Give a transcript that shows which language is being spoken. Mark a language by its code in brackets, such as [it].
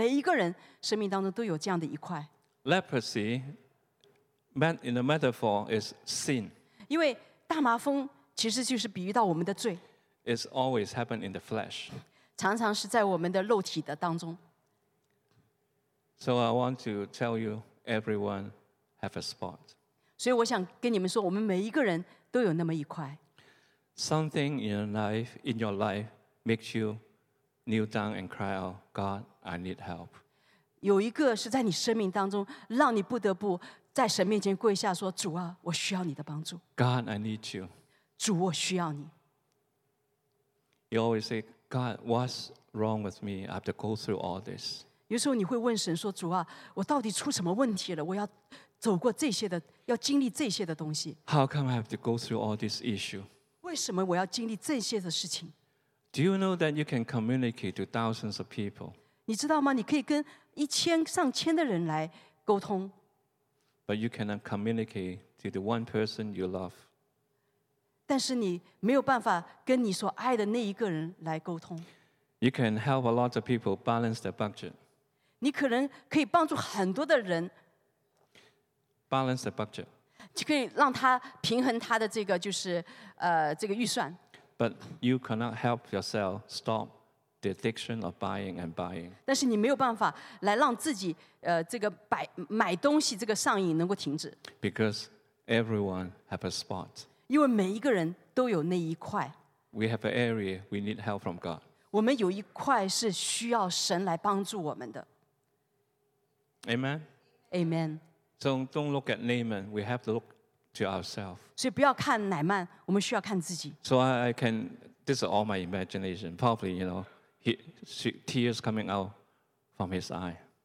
[zh] 所以当我看这个经文的时候，我想我们每一个人生命当中都有这样的一块。 [en] Leprosy, in a metaphor, is sin. [zh] 因为大麻风其实就是比喻到我们的罪。 [en] It's always happened in the flesh. [zh] 常常是在我们的肉体的当中。 [en] So I want to tell you, everyone have a spot. [zh] 所以我想跟你们说，我们每一个人都有那么一块。 [en] Something in your life makes you kneel down and cry out, God, I need help. [zh] 有一个是在你生命当中让你不得不在神面前跪下说，主啊，我需要你的帮助。 [en] God, I need you. [zh] 主，我需要你。 [en] You always say, God, what's wrong with me? I have to go through all this. [zh] 有时候你会问神说, 主啊, 我到底出什么问题了?我要走过这些的, 要经历这些的东西。 [en] How come I have to go through all this issue? [zh] 为什么我要经历这些的事情? [en] Do you know that you can communicate to thousands of people? [zh] 你知道吗? 你可以跟一千上千的人来沟通。 [en] But you cannot communicate to the one person you love. [zh] 但是你没有办法跟你所爱的那一个人来沟通。 [en] You can help a lot of people balance their budget. [zh] 你可能可以帮助很多的人 [en] balance their budget. [zh] 就可以让他平衡他的这个就是, 这个预算。 [en] But you cannot help yourself stop the addiction of buying and buying. [zh] 但是你没有办法来让自己, 这个买东西这个上瘾能够停止。 [en] Because everyone has a spot. [zh] 因为每一个人都有那一块。 [en] We have an area we need help from God. [zh] 我们有一块是需要神来帮助我们的。 [en] Amen. Amen. So don't look at Naaman. We have to look to ourselves. [zh] 所以不要看乃曼, 我们需要看自己。 [en] So I can. This is all my imagination. Probably, you know, tears coming out from his eye.